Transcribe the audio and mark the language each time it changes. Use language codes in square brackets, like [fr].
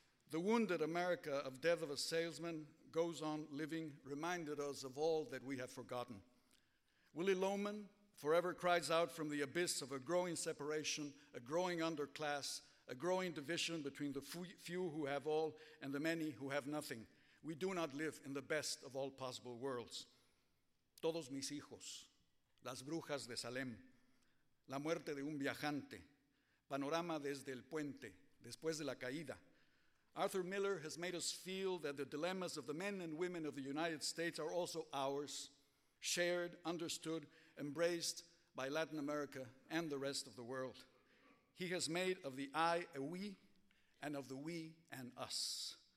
[en] The wounded America of Death of a Salesman goes on living, reminded us of all that we have forgotten. Willie Loman forever cries out from the abyss of a growing separation, a growing underclass, a growing division between the few who have all and the many who have nothing. We do not live in the best of all possible worlds. [es] Todos mis hijos, las brujas de Salem, la muerte de un viajante, panorama desde el puente, después de la caída. [en] Arthur Miller has made us feel that the dilemmas of the men and women of the United States are also ours, shared, understood, embraced by Latin America and the rest of the world. He has made of the I a we, and of the we an us.